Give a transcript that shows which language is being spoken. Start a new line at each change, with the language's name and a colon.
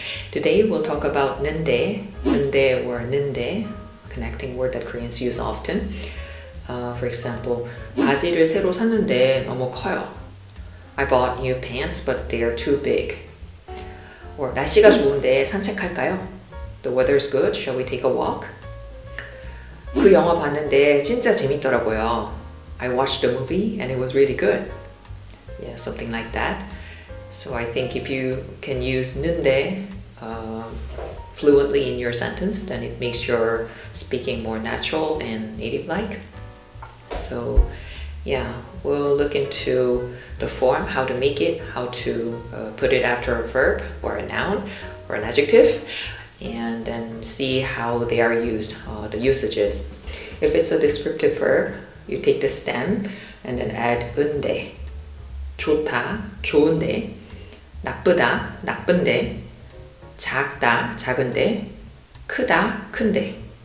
English: Today we'll talk about 는데, 근데 or 는데, connecting word that Koreans use often. For example,
Korean: 바지를 새로 샀는데 너무 커요.
English: I bought new pants, but they are too big.
Korean: Or 날씨가 좋은데 산책할까요?
English: The weather is good, shall we take a walk?
Korean: 그 영화 봤는데 진짜 재밌더라고요.
English: I watched a movie and it was really good. Yeah, something like that. So I think if you can use 는데 fluently in your sentence, then it makes your speaking more natural and native-like. So yeah, we'll look into the form, how to make it, how to put it after a verb or a noun or an adjective, and then see how they are used, the usages. If it's a descriptive verb, you take the stem and then add 은데.
Korean: 좋다, 좋은데, 나쁘다, 나쁜데, 작다, 작은데, 크다, 큰데.